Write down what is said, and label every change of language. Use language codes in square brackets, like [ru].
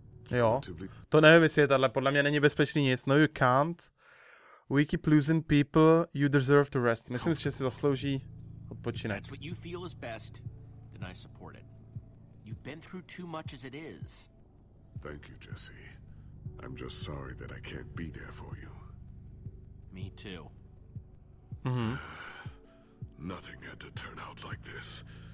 [cs] Jo, to nevím, jestli je tato, podle mě není bezpečný nic. [en] No, you can't. We keep losing people, you deserve to rest. [cs] Myslím si, že si zaslouží odpočinek. [en] That's what you feel is best, then I support it. You've been through too much as it is. Thank you, Jesse. I'm just sorry that I can't be there for you. Me too. Mm-hmm. nothing had to turn out like this.